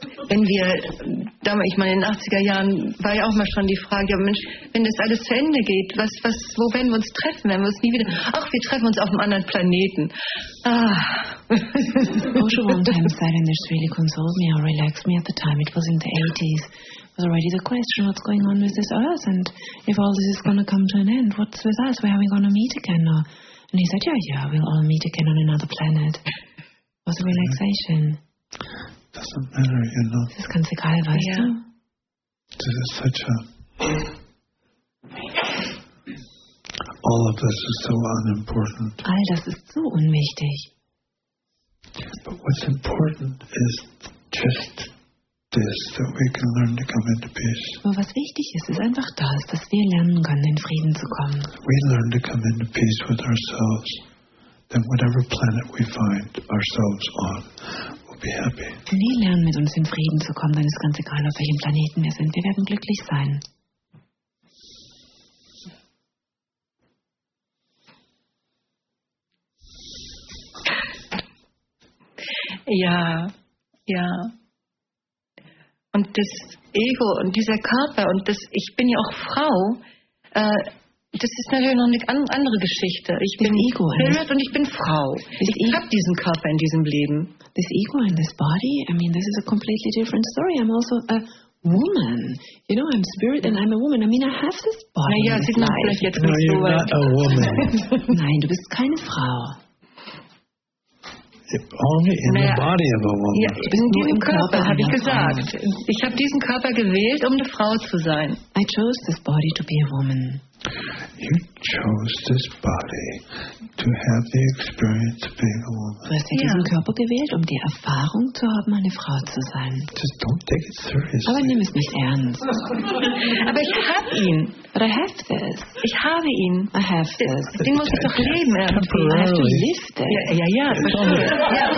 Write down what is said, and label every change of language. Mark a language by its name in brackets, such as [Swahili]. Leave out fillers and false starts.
[German] Wenn wir, ich meine, in den 80er Jahren war ja auch mal schon die Frage, ja Mensch, wenn das alles zu Ende geht, wo werden wir uns treffen? Werden wir uns nie wieder? Ach, wir treffen uns auf einem anderen Planeten. Ah. [English] Osho one time said, and this really consoled me or relaxed me at the time. It was in the 80s. Was already the question, what's going on with this earth? And if all this is going to come to an end, what's with us? Where are we going to meet again? Or, and he said, yeah, we'll all meet again on another planet. It was a relaxation. Doesn't matter, you know. [German] Das ist ganz egal, weißt du? [English] This is such a All of this is so unimportant. [German] All das ist so unwichtig. [English] But what's important is just this, that we can learn to come into peace. [German] Aber was wichtig ist, ist einfach das, dass wir lernen können, in Frieden zu kommen. [English] We learn to come into peace with ourselves. Then whatever planet we find ourselves on, we'll be happy. [German] Wir lernen, mit uns in Frieden zu kommen, dann ist ganz egal, auf welchem Planeten wir sind. Wir werden glücklich sein. Ja, ja. Und das Ego und dieser Körper und das, ich bin ja auch Frau, das ist natürlich noch eine andere Geschichte. Ich bin Ego und ich bin Frau. Ich habe diesen Körper in diesem Leben. [English] This ego and this body, I mean, this is a completely different story. I'm also a woman. You know, I'm spirit and I'm a woman. I mean, I have this body. [German] Naja, sieht man vielleicht jetzt nicht so. [English] No, you're not a woman. [German] Nein, du bist keine Frau. [English] Only in the body of a woman. [German] Ja, in diesem Körper, habe ich gesagt. Ich habe diesen Körper gewählt, um eine Frau zu sein. [English] I chose this body to be a woman. You chose this body to have the experience of being a woman. [German] Du hast ja diesen Körper gewählt, um die Erfahrung zu haben, eine Frau zu sein. [English] Just don't take it seriously. [German] Aber nimm es nicht ernst. Aber ich habe ihn. [English] But I have this. [German] Ich habe ihn. [English] I have this. [German] Den muss ich doch leben. [English] Temporarily. I have to lift it. [German] Ja.